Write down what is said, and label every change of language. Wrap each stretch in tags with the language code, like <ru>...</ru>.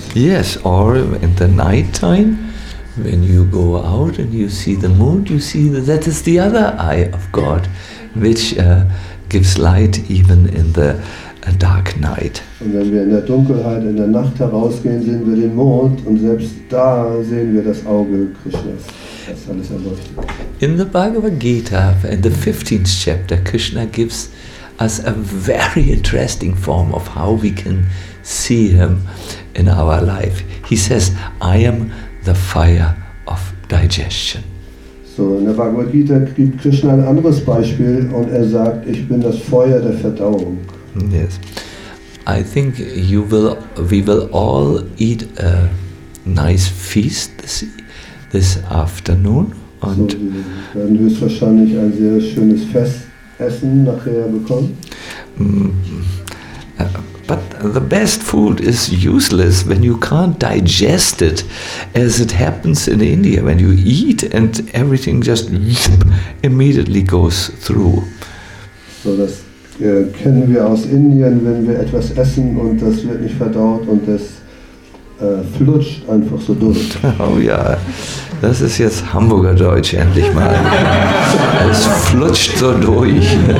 <en>Yes, or in the night time, when you go out and you see the moon, you see that is the other eye of God, which gives light even in the a dark night.</en> <de>Und wenn wir in der Dunkelheit in der Nacht herausgehen, sehen wir den Mond und selbst da sehen wir das Auge Krishnas. Das alles erleuchtet.</de> <en>In the Bhagavad Gita, in the 15th chapter, Krishna gives us a very interesting form of how we can see him in our life. He says, I am the fire of digestion.</en> <de>So, in der Bhagavad Gita gibt Krishna ein anderes Beispiel und er sagt, ich bin das Feuer der Verdauung.</de> <en>Yes, I think we will all eat a nice feast this afternoon.</en> <de>Und so, wir werden höchstwahrscheinlich ein sehr schönes Festessen nachher bekommen.</de> <en>But the best food is useless when you can't digest it, as it happens in India, when you eat and everything just immediately goes through. So that's</en> <de>kennen wir aus Indien, wenn wir etwas essen und das wird nicht verdaut und das flutscht einfach so durch. Oh ja, das ist jetzt Hamburger Deutsch endlich mal. Es flutscht so durch.</de>